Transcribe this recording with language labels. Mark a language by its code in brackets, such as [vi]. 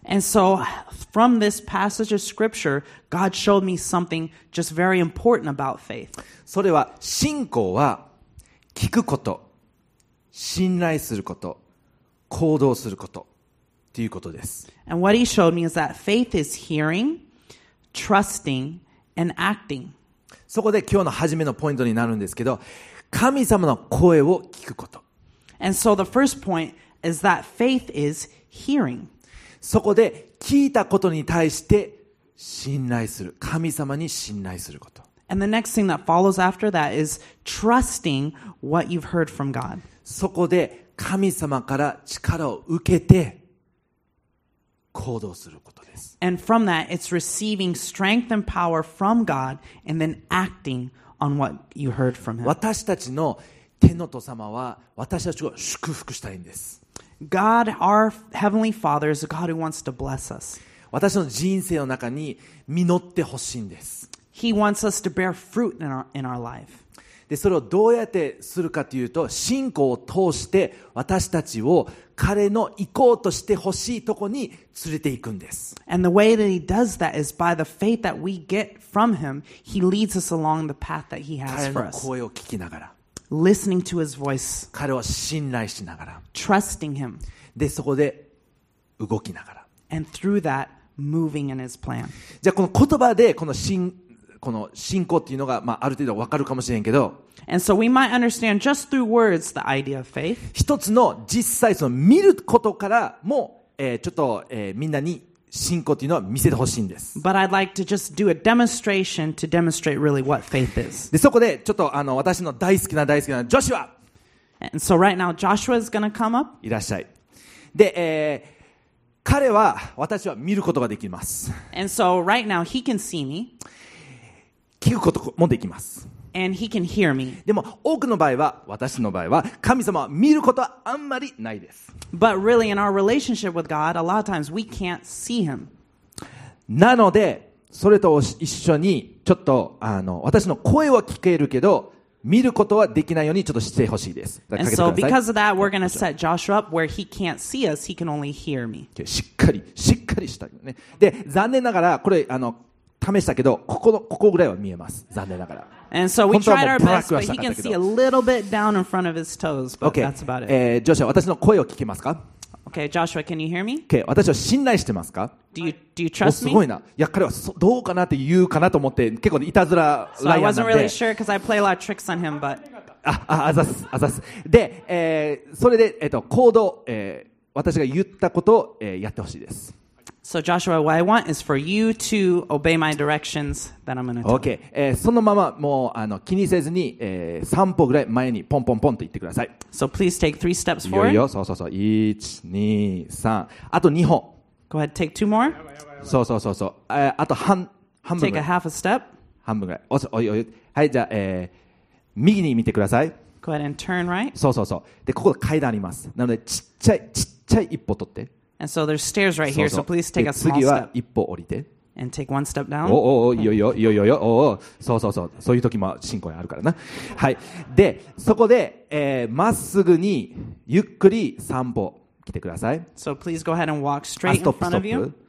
[en] And so, from this passage of scripture, God showed me something just very important about faith. [ja] それは信仰は聞くこと、信頼すること、行動することということです。 [en] And what he showed me is that faith is hearing, trusting,And acting. [ja] そこで今日の初めのポイントになるんですけど、神様の声を聞くこと。 [en] And so the first point is that faith is hearing. [ja] そこで聞いたことに対して信頼する。神様に信頼すること。 [en] And the next thing that follows after that is trusting what you've heard from God. [ja] そこで神様から力を受けて行動することです。 [en] And from that, it's receiving strength and power from God and then acting on what you heard from Him. [ja] 私たちの天の父様は私たちを祝福したいんです。 [en] God, our Heavenly Father, is a God who wants to bless us. [ja] 私の人生の中に実ってほしいんです。 [en] He wants us to bear fruit in our life. [ja] で、それをどうやってするかというと、信仰を通して私たちを彼の行こうとしてほしいとこに連れて行くんです。 [en] And the way that he does that is by the faith that we get from him, he leads us along the path that he has for us. [ja] 彼の声を聞きながら。 [en] Listening to his voice. [ja] 彼を信頼しながら。 [en] Trusting him. [ja] で、そこで動きながら。 [en] And through that, moving in his plan. [ja] じゃあこの言葉でこの信仰っていうのが、まあ、ある程度わかるかもしれんけど、 [en] And so we might understand just through words the idea of faith. [ja] 一つの実際その見ることからも、ちょっと、みんなに信仰というのは見せてほしいんです。 [en] But I'd like to just do a demonstration to demonstrate really what faith is. [ja] で、そこでちょっと私の大好きな大好きなジョシュア。 [en] And so right now Joshua is gonna come up. [ja] いらっしゃい。で、彼は私は見ることができます。 [en] And so right now he can see me. [ja] 聞くこともできます。 [en] And he can hear me. [ja] でも多くの場合は私の場合は神様は見ることはあんまりないです。 [en] But really in our relationship with God, a lot of times we can't see him. [ja] なのでそれと一緒にちょっと私の声は聞けるけど見ることはできないようにちょっとしてほしいです。 [en] And so because of that, we're going to set Joshua up where he can't see us, he can only hear me. [ja] しっかり、しっかりしたね。で、残念ながら、これ、試したけど、ここぐらいは見えます。残念ながら。 [en] And so we tried our best, but he can see a little bit down in front of his toes, but that's about it. [ja] Joshua, 私の声を聞けますか? [en] Okay, Joshua, can you hear me? [ja] Okay, 私を信頼してますか? [en] Do you trust me? [ja] すごいな。いや、彼はどうかなって言うかなと思って、結構いたずらライアンなんで。 [en] So I wasn't really sure because I play a lot of tricks on him, but. [ja] あざす。で、それで、行動、私が言ったことを、やってほしいです。 [en] So Joshua, what I want is for you to obey my directions that I'm going to tell. [ja] Okay, そのままもう気にせずに、3歩ぐらい前にポンポンポンと言ってください。 [en] So please take 3 steps forward. [ja] いいよ。1、2、3。 あと2歩。 [en] Go ahead, take 2 more. [ja] そう。あと半分ぐらい。 [en] Take a half a step. [ja] 半分ぐらい。おい。はい、じゃあ、右に見てください。 [en] Go ahead and turn right. [ja] そう。で、ここ階段あります。なので、ちっちゃい一歩取って。 [en] And so there's stairs right here, so please take a small step. [ja] 次は一歩降りて。 [en] And take one step down. [ja] いいよ。そう。そういう時も進行にあるからな。はい。で、そこで、まっすぐにゆっくり散歩来てください。 [en] So please go ahead and walk straight in front of you.